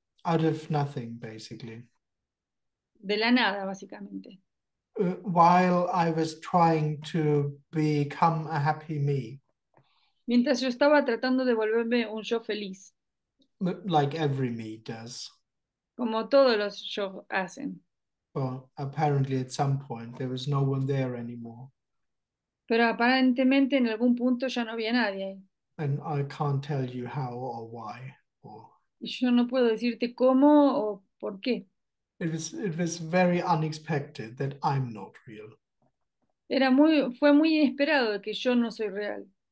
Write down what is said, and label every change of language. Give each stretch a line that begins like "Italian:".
English: Out of nothing, basically.
Spanish: De la nada, básicamente.
English: While I was trying to become a happy me.
Spanish: Mientras yo estaba tratando de volverme un yo feliz.
English: Like every me does.
Spanish: Como todos los yo hacen.
English: Well, apparently at some point there was no one there anymore.
Spanish: Pero aparentemente en algún punto ya no había nadie ahí.
English: And I can't tell you how or why or...
Spanish: Yo no puedo decirte cómo o por qué.
English: It was very unexpected that I'm not real.
Spanish: Fue muy inesperado que yo no soy real.